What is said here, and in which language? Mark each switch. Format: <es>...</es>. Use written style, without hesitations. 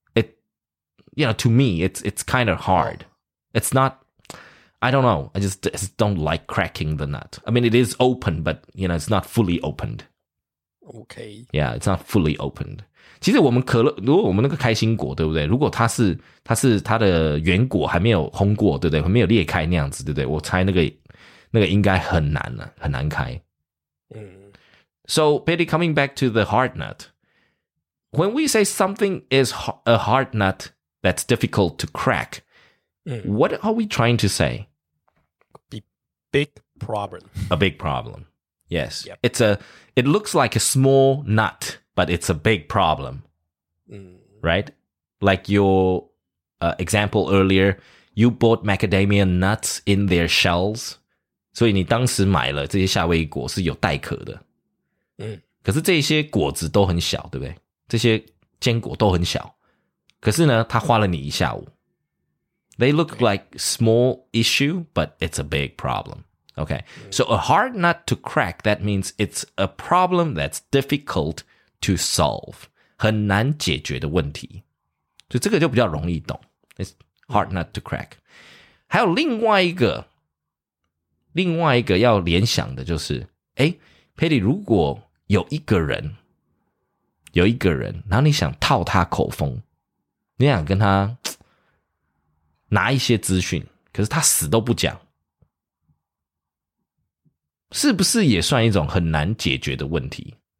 <en>It, you know, to me, it's kind of hard. It's not, I don't know, I just don't like cracking the nut. I mean, it is open, but, you know, it's not fully opened. Okay. Yeah, it's not fully opened.</en> <zh>其实我们可乐，如果我们那个开心果，对不对？如果它是它的原果还没有烘过，对不对？还没有裂开那样子，对不对？我猜那个应该很难了，很难开。</zh> <en>So, Betty, coming back to the hard nut. When we say something is a hard nut that's difficult to crack, what are we trying to say? Big problem. A big problem. Yes. Yep. It looks like a small nut, but it's a big problem. Right? Like your example earlier, you bought macadamia nuts in their shells.</en> <zh>所以你当时买了这些夏威夷果是有带壳的，可是这些果子都很小，对不对？这些坚果都很小，可是呢，它花了你一下午。</zh> <en>They look like small issue, but it's a big problem. Okay, so a hard nut to crack, that means it's a problem that's difficult to solve.</en> <zh>很难解决的问题，所以这个就比较容易懂。</zh> <en>It's hard nut to crack.</en> <zh>还有另外一个要联想的就是，诶 Patty， 如果有一个人，然后你想套他口风，你想跟他拿一些资讯，可是他死都不讲，是不是也算一种很难解决的问题？</zh>